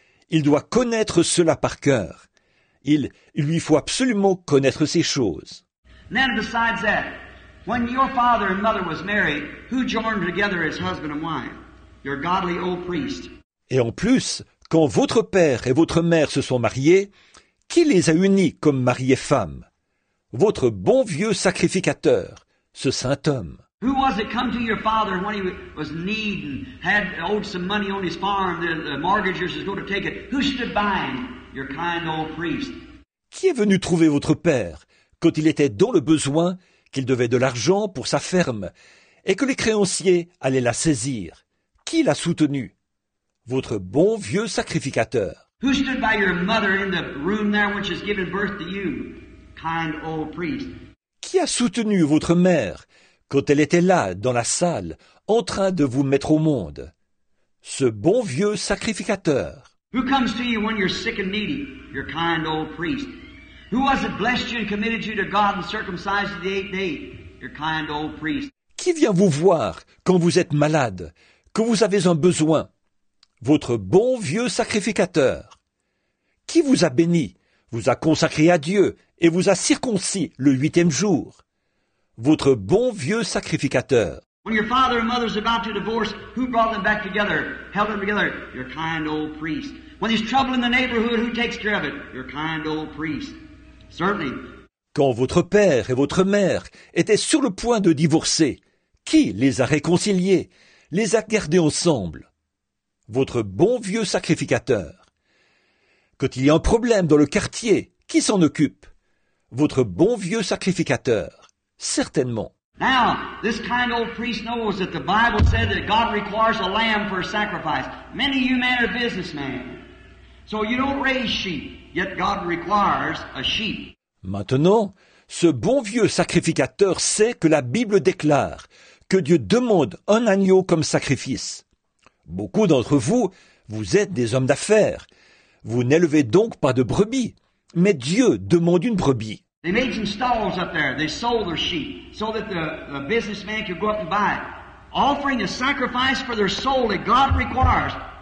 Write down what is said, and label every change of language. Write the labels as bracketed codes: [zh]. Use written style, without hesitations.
[fr] Il doit connaître cela par cœur. Il lui faut absolument connaître ces choses. [en] And then besides that, when your father and mother was married, who joined together as husband and wife? Your godly old priest. [fr] Et en plus, quand votre père et votre mère se sont mariés, qui les a unis comme mari et femme? Votre bon vieux sacrificateur, ce saint homme. [en] Who was it come to your father when he was in need and had owed some money on his farm, the mortgagers was going to take it? Who stood by him? Your kind old priest. [fr] Qui est venu trouver votre père quand il était dans le besoin, qu'il devait de l'argent pour sa ferme et que les créanciers allaient la saisir? Qui l'a soutenu? Votre bon vieux sacrificateur. [en] Who stood by your mother in the room there when she's giving birth to you, kind old priest? [fr] Qui a soutenu votre mère quand elle était là dans la salle en train de vous mettre au monde? Ce bon vieux sacrificateur. [en] Who comes to you when you're sick and needy, your kind old priest? Who was it blessed you and committed you to God and circumcised you the eighth day, your kind old priest? [fr] Qui vient vous voir quand vous êtes malade, que vous avez un besoin? Votre bon vieux sacrificateur. Qui vous a béni, vous a consacré à Dieu et vous a circoncis le huitième jour? Votre bon vieux sacrificateur. [en] When your father and mother is about to divorce, who brought them back together, held them together? Your kind old priest. When there's trouble in the neighborhood, who takes care of it? Your kind old priest. Certainly. [fr] Quand votre père et votre mère étaient sur le point de divorcer, qui les a réconciliés, les a gardés ensemble? Votre bon vieux sacrificateur. Quand il y a un problème dans le quartier, qui s'en occupe? Votre bon vieux sacrificateur. Certainement. [en] Now, this kind old priest knows that the Bible said that God requires a lamb for a sacrifice. Many of you men are businessmen. So you don't raise sheep, yet God requires a sheep. [fr] Maintenant, ce bon vieux sacrificateur sait que la Bible déclare que Dieu demande un agneau comme sacrifice. Beaucoup d'entre vous, vous êtes des hommes d'affaires. Vous n'élevez donc pas de brebis, mais Dieu demande une brebis. [en] They made some stalls up there. They sold their sheep so that the businessman could go up and buy it. Offering a sacrifice for their soul that God requires.